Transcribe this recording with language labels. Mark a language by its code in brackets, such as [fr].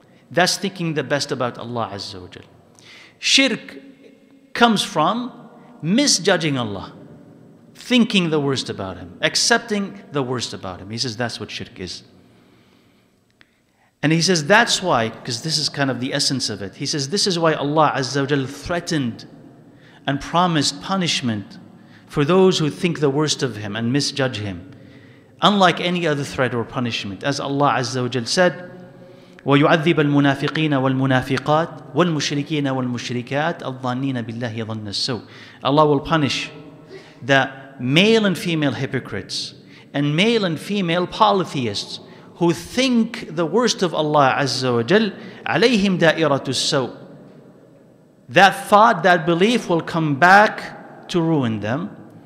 [en] That's thinking the best about Allah Azza wa Jal. Shirk comes from misjudging Allah, thinking the worst about Him, accepting the worst about Him. He says that's what shirk is. And he says, that's why, because this is kind of the essence of it. He says, this is why Allah Azza wa Jal threatened and promised punishment for those who think the worst of him and misjudge him. Unlike any other threat or punishment. As Allah Azza wa Jal said, [ar] وَيُعَذِّبَ الْمُنَافِقِينَ وَالْمُنَافِقَاتِ وَالْمُشْرِكِينَ وَالْمُشْرِكَاتِ الظَّنِّينَ بِاللَّهِ ظَنَّ السَّوْءِ. [en] Allah will punish the male and female hypocrites and male and female polytheists who think the worst of Allah Azza wa Jal, [ar] عَلَيْهِمْ دَائِرَةُ السَّوْءِ. [en] That thought, that belief will come back to ruin them.